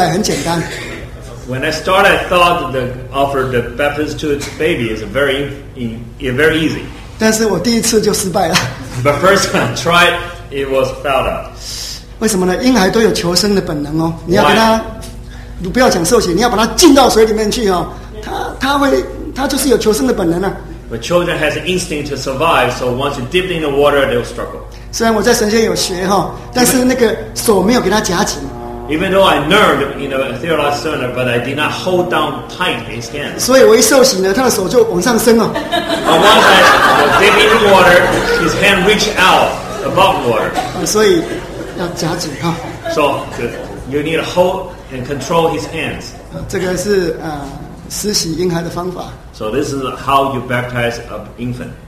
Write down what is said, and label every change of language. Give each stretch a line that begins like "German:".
English: When I started, I thought the offer the baptism to its baby is very easy. But first time I tried, it was failed out.
Chinese: 为什么呢？婴孩都有求生的本能哦。你要把它，你不要讲受洗，你要把它浸到水里面去哦。它就是有求生的本能啊。
English: But children has an instinct to survive, so once you dip in the water, they'll struggle.
Chinese: 虽然我在神学有学哈，但是那个手没有给它夹紧。
English: Even though I learned, you know, a theological sermon, but I did not hold down tight his hand.
Chinese: 所以我一受洗呢，他的手就往上升了。
English: And once I dip in the water, his hand reached out above water.
Chinese: 所以要夹紧哈。
English: So you need to hold and control his hands.
Chinese: 这个是施洗婴孩的方法。
English: So this is how you baptize an infant.